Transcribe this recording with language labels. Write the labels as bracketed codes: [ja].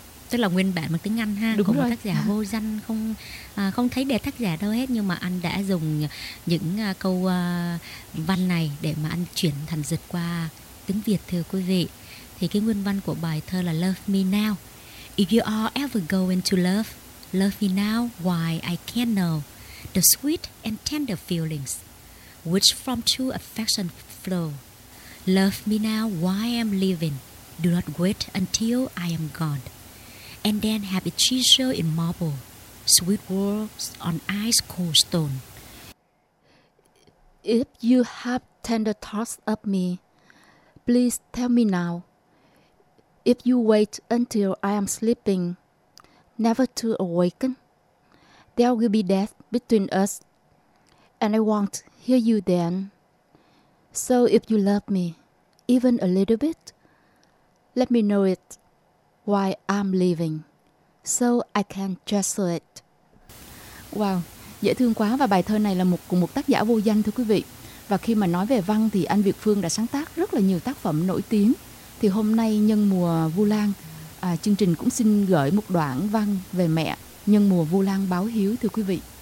[vi] Tức là nguyên bản bằng tiếng Anh ha, đúng của rồi. Một tác giả vô danh, không không thấy đẹp tác giả đâu hết, nhưng mà anh đã dùng những câu văn này để mà anh chuyển thành dịch qua tiếng Việt, thưa quý vị. Thì cái nguyên văn của bài thơ là Love Me Now. [en] If you are ever going to love, love me now while I can know the sweet and tender feelings which from true affection flow. Love me now while I am living, do not wait until I am gone, and then have it treasured in marble, sweet words on ice cold stone. If you have tender thoughts of me, please tell me now. If you wait until I am sleeping, never to awaken, there will be death between us, and I won't hear you then. So if you love me, even a little bit, let me know it while I'm leaving, so I can treasure it. [vi] Wow, dễ thương quá. Và bài thơ này là một của một tác giả vô danh, thưa quý vị. Và khi mà nói về văn thì anh Việt Phương đã sáng tác rất là nhiều tác phẩm nổi tiếng. Thì hôm nay nhân mùa Vu Lan, chương trình cũng xin gửi một đoạn văn về mẹ nhân mùa Vu Lan báo hiếu, thưa quý vị.